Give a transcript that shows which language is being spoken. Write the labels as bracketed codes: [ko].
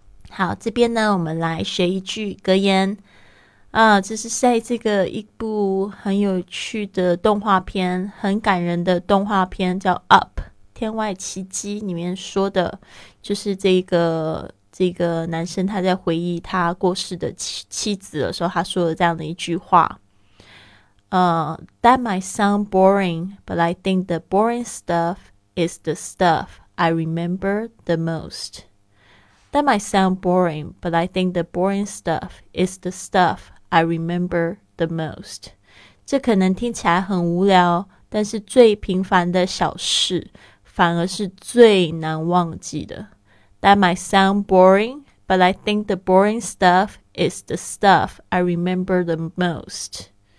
[zh] 好，这边呢我们来学一句格言啊，这是在这个一部很有趣的动画片，很感人的动画片叫 Up 天外奇迹里面说的，就是这个男生他在回忆他过世的妻子的时候，他说了这样的一句话， [en] That might sound boring, but I think the boring stuff is the stuff I remember the most. That might sound boring, but I think the boring stuff is the stuff I remember the most. [zh] 这可能听起来很无聊，但是最平凡的小事反而是最难忘记的。 [en] That might sound boring, but I think the boring stuff is the stuff I remember the most.